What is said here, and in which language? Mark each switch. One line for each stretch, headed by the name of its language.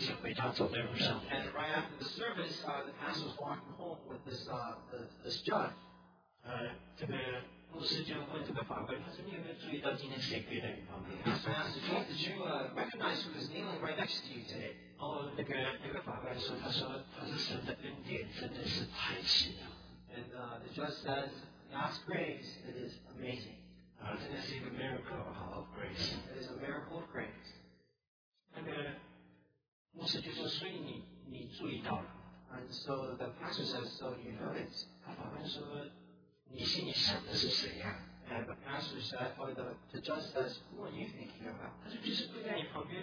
English: And right after the service, the pastor was walking home with this judge.
Chinese: 这个牧师就问这个法官，他说你有没有注意到今天谁跪在你旁边？
English: Did you recognize who is kneeling right next to you today?
Chinese: 然后那个法官说，他说他是神的恩典，真的是太奇妙。
English: And the judge says, God's grace, it is amazing.
Chinese: 真的是一个
English: miracle of grace. It is a miracle of grace.
Chinese: 牧师就说，所以你注意到了。
English: And so the pastor says, so you notice.
Chinese: 他反问说，你心里想的是谁呀？
English: And the pastor said, or the judge says, who are you thinking about?